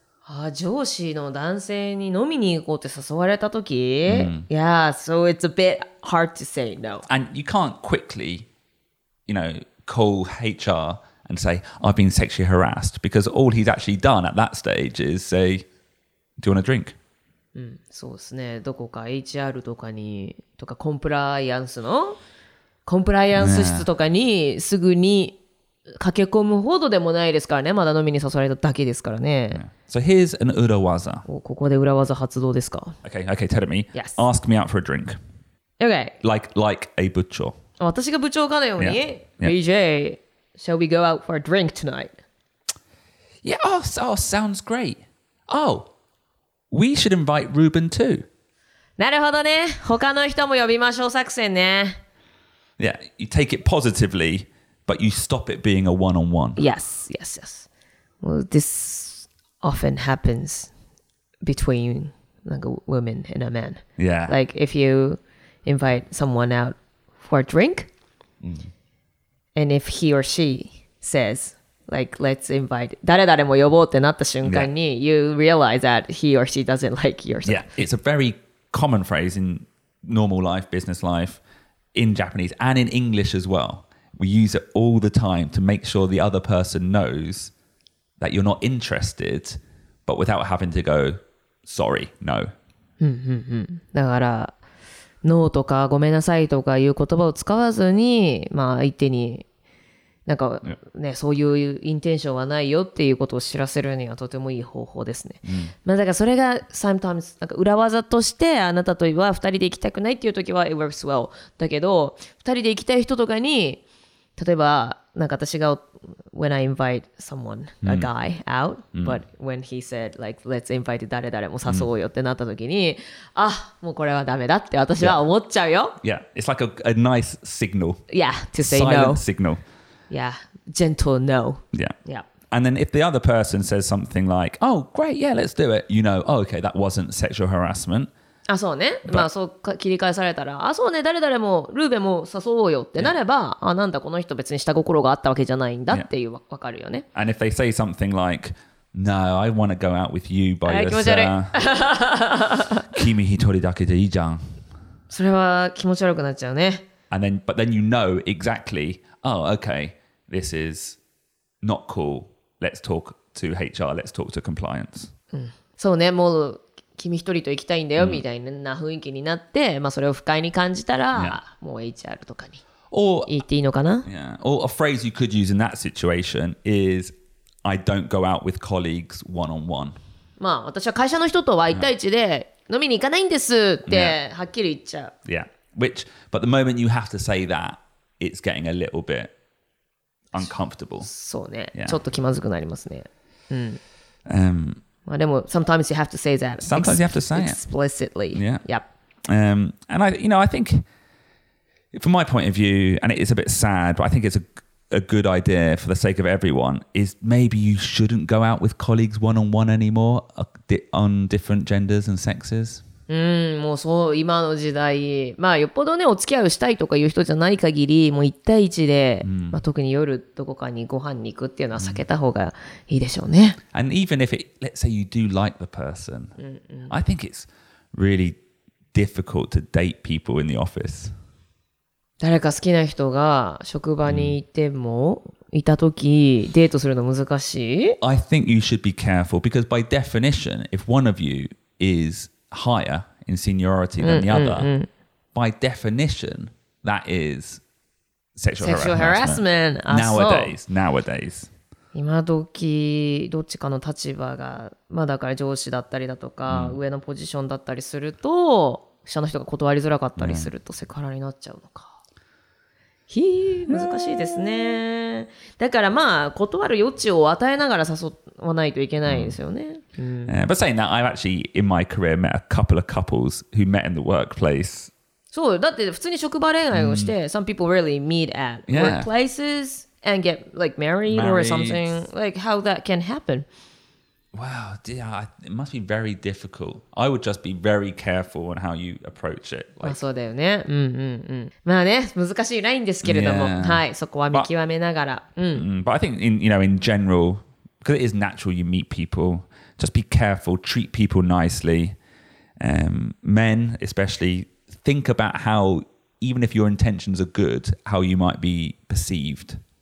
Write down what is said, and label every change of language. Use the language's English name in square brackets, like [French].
[Japanese] ああ上司の男性に飲みに行こうって誘われた時、 [English] yeah, so it's a bit hard to say no. And you can't quickly, you know, call HR and say, I've been sexually harassed, because all he's actually done at that stage is say, do you want a drink? [Japanese] そうですね。どこか HR とかに、とかコンプライアンスの、コンプライアンス室とかにすぐに、駆け込むほどでもないですからね。まだ飲みに誘われただけですからね。 [English] So here's an 裏技。 [Japanese] ここで裏技発動ですか。 [English] Okay, okay, tell me. Yes. Ask me out for a drink. Okay. Like a 部長。 [Japanese] 私が部長かのように。 [English] Yeah. Yeah. BJ, shall we go out for a drink tonight? Yeah. Oh, sounds great. Oh, we should invite Ruben too. [Japanese] なるほどね。他の人も呼びましょう作戦ね。 [English] Yeah. You take it positively. But you stop it being a one-on-one. Yes, yes, yes. Well, this often happens between like a woman and a man. Yeah. Like if you invite someone out for a drink, and if he or she says, like, let's invite [Japanese] 誰誰も呼ぼうってなった瞬間に、 [English] you realize that he or she doesn't like yourself. Yeah, it's a very common phrase in normal life, business life, in Japanese and in English as well. We use it all the time to make sure the other person knows that you're not interested, but without having to go, sorry, no. [Japanese] だから、ノーとかごめんなさいとかいう言葉を使わずに、まあ相手に、なんかね、そういうインテンションはないよっていうことを知らせるにはとてもいい方法ですね。まあだからそれが、 [English] sometimes、 [Japanese] なんか裏技として、あなたとは二人で行きたくないっていう時は、 [English] it works well. [Japanese] だけど、二人で行きたい人とかに、例えば、なんか私が、 [English] when I invite someone, a guy, out, but when he said, like, let's invite [Japanese] 誰誰も誘うよってなった時に、あ、もうこれはダメだって私は思っちゃうよ。 [English] Yeah, it's like a nice signal. Yeah, to say Silent no. Silent signal. Yeah, gentle no. Yeah. Yeah. And then if the other person says something like, oh, great, yeah, let's do it, you know, oh, okay, that wasn't sexual harassment. [Japanese] あ、そうね。 But, まあ、そう切り返されたら、あ、そうね、誰々も、ルーベも誘おうよってなれば、yeah. あ、なんだ、この人別に下心があったわけじゃないんだっていう、yeah. 分かるよね。 And if they say something like, No, I want to go out with you by yourself. 気持ち悪い。君一人だけでいいじゃん。それは気持ち悪くなっちゃうね。 [English] And then, but then you know exactly, Oh, okay, this is not cool. Let's talk to HR. Let's talk to compliance.、 [Japanese] そうね、もう、君一人と行きたいんだよみたいな雰囲気になって、まあそれを不快に感じたら、もう HR とかに言っていいのかな。 [English] Or, yeah. Or a phrase you could use in that situation is, I don't go out with colleagues one-on-one. [Japanese] まあ私は会社の人とは一対一で飲みに行かないんですってはっきり言っちゃう。 [English] Yeah. Yeah. Which, but the moment you have to say that, it's getting a little bit uncomfortable. [Japanese] そうね。Yeah. ちょっと気まずくなりますね。 [English] Well, then sometimes you have to say that. Sometimes you have to say it. Explicitly. Yeah. Yep. And I, you know, I think from my point of view, and it is a bit sad, but I think it's a good idea for the sake of everyone, is maybe you shouldn't go out with colleagues one-on-one anymore on different genders and sexes. [Japanese] うん、もうそう、今の時代、まあよっぽどねお付き合いをしたいとかいう人じゃない限り、もう一対一で、うん、まあ、特に夜どこかにご飯に行くっていうのは避けた方がいいでしょうね。 [English] And even if it, let's say you do like the person, I think it's really difficult to date people in the office. [Japanese] 誰か好きな人が職場にいても、いた時デートするの難しい？ [English] I think you should be careful because by definition, if one of you is higher in seniority than the other, by definition, that is sexual harassment. Nowadays. [Japanese] 今時どっちかの立場が、まあ、だから上司だったりだとか、うん、上のポジションだったりすると下の人が断りづらかったりするとセクハラになっちゃうのか、ひー難しいですね。だからまあ断る余地を与えながら誘わないといけないんですよね。 [English] But saying that, I've actually in my career met a couple of couples who met in the workplace. [Japanese] そうだって普通に職場恋愛をして、 [English] some people really meet at workplaces and get like married or something. Like how that can happen? Wow, yeah, it must be very difficult. I would just be very careful on how you approach it. [Japanese] Like, まあそうだよね。まあね、難しいラインですけれども、はい、そこは見極めながら。 [English] But I think in, you know, in general. Because it is natural you meet people. Just be careful. Treat people nicely. Men, especially, think about how, even if your intentions are good, how you might be perceived.